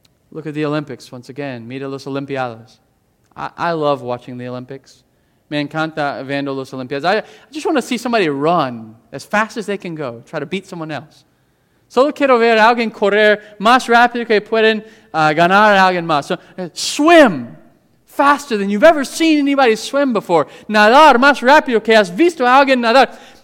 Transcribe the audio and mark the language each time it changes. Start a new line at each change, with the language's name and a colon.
English: Look at the Olympics once again.
Spanish: Mira los Olimpiados.
English: I love watching the Olympics.
Spanish: Me encanta viendo los Olimpiados.
English: I just want to see somebody run as fast as they can go, try to beat someone else.
Spanish: Solo quiero ver a alguien correr más rápido que pueden ganar a alguien más.
English: So, swim faster than you've ever seen anybody swim before.
Spanish: Nadar más rápido que has visto a alguien nadar.